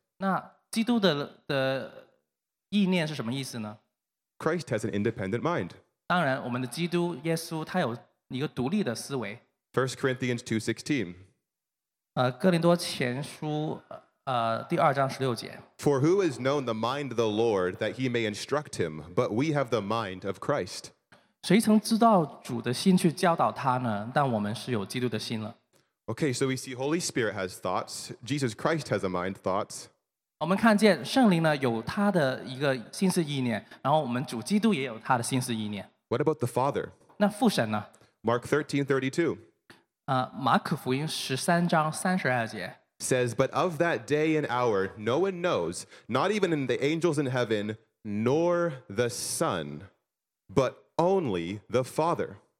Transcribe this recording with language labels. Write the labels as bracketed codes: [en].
[zh] 那基督的意念是什么意思呢？ [en] Christ has an independent mind. [zh] 当然，我们的基督耶稣他有一个独立的思维。 [en] 1 Corinthians 2:16. [zh] 哥林多前书第二章十六节。 [en] For who has known the mind of the Lord that he may instruct him? But we have the mind of Christ. [zh] 谁曾知道主的心去教导他呢？但我们是有基督的心了。Okay, [en] so we see Holy Spirit has thoughts. Jesus Christ has a mind thoughts. [zh] 我们看见圣灵呢有他的一个心思意念，然后我们主基督也有他的心思意念。What [en] about the Father? [zh] 那父神呢？ [en] Mark 13:32. Says, but of that day and hour, no one knows, not even the angels in heaven, nor the Son, but only the Father.